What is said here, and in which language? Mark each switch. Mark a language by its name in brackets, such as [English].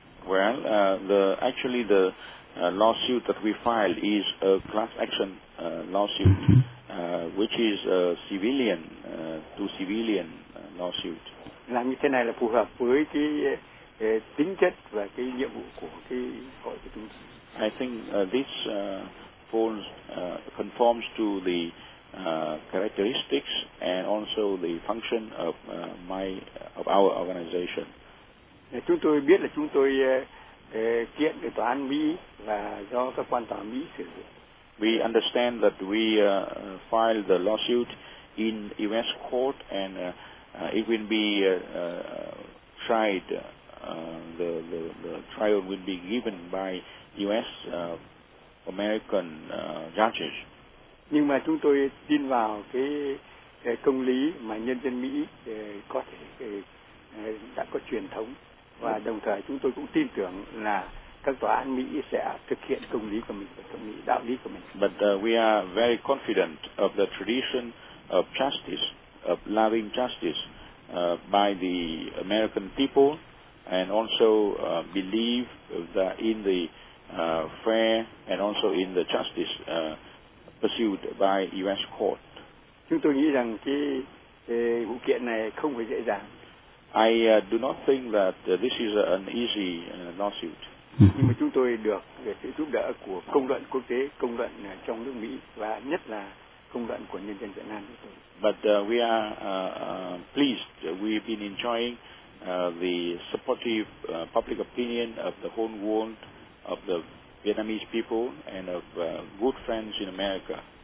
[English] Well, the lawsuit that we filed is a class action lawsuit, which is a civilian to civilian lawsuit. [Vietnamese] Làm như thế này là phù hợp với cái tính chất và cái nhiệm vụ của cái hội của chúng tôi. [English] I think this conforms to the characteristics and also the function of our organization. [Vietnamese] Chúng tôi biết là chúng tôi kiện ở tòa án Mỹ và do các quan tòa Mỹ xử. [English] We understand that we filed the lawsuit in U.S. court and it will be tried. The trial will be given by U.S. American judges. [Vietnamese] Nhưng mà chúng tôi tin vào cái công lý mà nhân dân Mỹ có thể đã có truyền thống, và đồng thời chúng tôi cũng tin tưởng là các tòa án Mỹ sẽ thực hiện công lý của mình, công lý đạo lý của mình. [English] But we are very confident of the tradition of justice, of loving justice by the American people, and also believe that in the fair and also in the justice pursued by U.S. court. [Vietnamese] Chúng tôi nghĩ rằng cái vụ kiện này không phải dễ dàng. [English] I do not think that this is an easy lawsuit. [Vietnamese] Nhưng mà chúng tôi được sự giúp đỡ của công luận quốc tế, công luận trong nước Mỹ và nhất là công luận của nhân dân Việt Nam. [English] But we are pleased. We've been enjoying the supportive public opinion of the whole world, of the Vietnamese people, and of good friends in America.